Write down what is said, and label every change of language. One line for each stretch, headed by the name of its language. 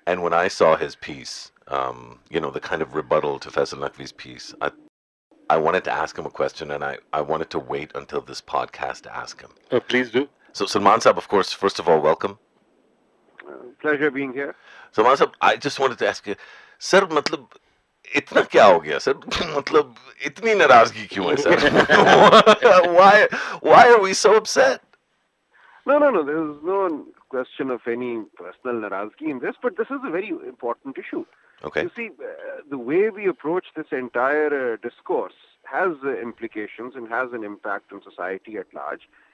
English: And when I saw his piece, you know, the kind of rebuttal to Faisal Naqvi's piece, I wanted to ask him a question, and I wanted to wait until this podcast to ask him. Oh, please do. So Salman Saab, of course, first of all, welcome. Pleasure being here. So، مصب، I just wanted to ask you, sir،
Urdu: مطلب، اتنا کیا ہو گیا،
English: sir?
Urdu: مطلب، اتنی ناراضگی کیوں ہے، سر؟
English: why are we so upset? No, there's no question of any personal narazgi in this, but this is a very important issue. Okay. You see, the way we approach this entire discourse has implications and has an impact on society at large.